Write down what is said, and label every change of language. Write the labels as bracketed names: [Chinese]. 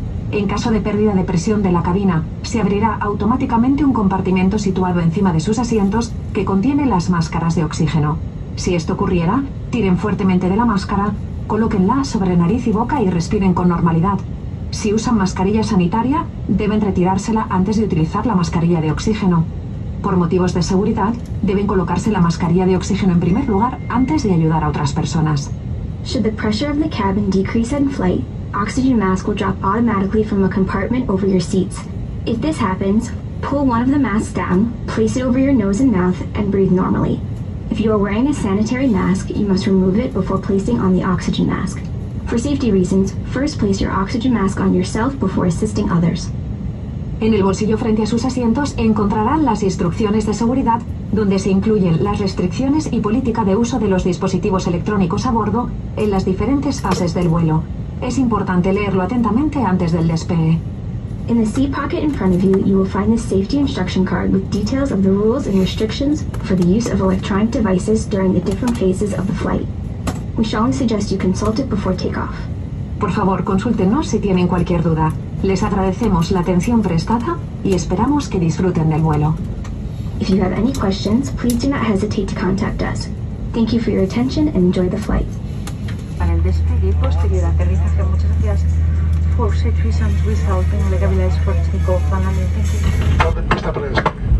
[Spanish] En caso de pérdida de presión de la cabina, se abrirá automáticamente un compartimento situado encima de sus asientos que contiene las máscaras de oxígeno. Si esto ocurriera, tiren fuertemente de la máscara, colóquenla sobre nariz y boca y respiren con normalidad. Si usan mascarilla sanitaria, deben retirársela antes de utilizar la mascarilla de oxígeno. Por motivos de seguridad, deben colocarse la mascarilla de oxígeno en primer lugar antes de ayudar a otras personas. [English] Should the pressure of the cabin decrease in flight, oxygen mask will drop automatically from a compartment over your seats. If this happens, pull one of the masks down, place it over your nose and mouth, and breathe normally. If you are wearing a sanitary mask, you must remove it before placing on the oxygen mask. For safety reasons, first place your oxygen mask on yourself before assisting others. [Spanish] En el bolsillo frente a sus asientos encontrarán las instrucciones de seguridad, donde se incluyen las restricciones y política de uso de los dispositivos electrónicos a bordo en las diferentes fases del vuelo. Es importante leerlo atentamente antes del despegue. [English] In the seat pocket in front of you, you will find the safety instruction card with details of the rules and restrictions for the use of electronic devices during the different phases of the flight. We shall only suggest you consult it before takeoff. [Spanish] Por favor, consúltenos si tienen cualquier duda. Les agradecemos la atención prestada y esperamos que disfruten del vuelo. [English] If you have any questions, please do not hesitate to contact us. Thank you for your attention and enjoy the flight. [Spanish] Para el despegue y posterior aterrizaje, muchas gracias. [English] For safe reasons, we shall open the cabinets for takeoff.